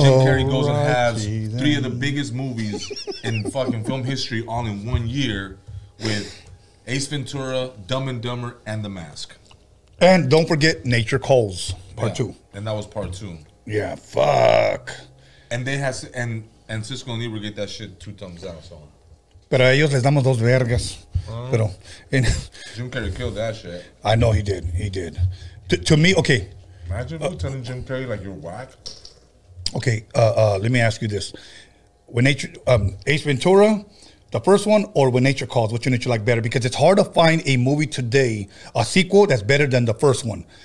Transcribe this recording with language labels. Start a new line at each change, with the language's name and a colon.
English: Jim Carrey goes and has three of the biggest movies in fucking film history all in one year with Ace Ventura, Dumb and Dumber, and The Mask. And don't forget Nature Calls, part two. And that was part two. Yeah, fuck. And they has and Cisco and Libra get that shit two thumbs down. So,
Spanish: pero a ellos les damos dos vergas. Pero
English: Jim Carrey killed that shit. I know he did. He did. To me, okay. Imagine you telling Jim Carrey like you're whack. Okay, let me ask you this: when nature, Ace Ventura, the first one, or When Nature Calls, which one did you like better? Because it's hard to find a movie today, a sequel that's better than the first one.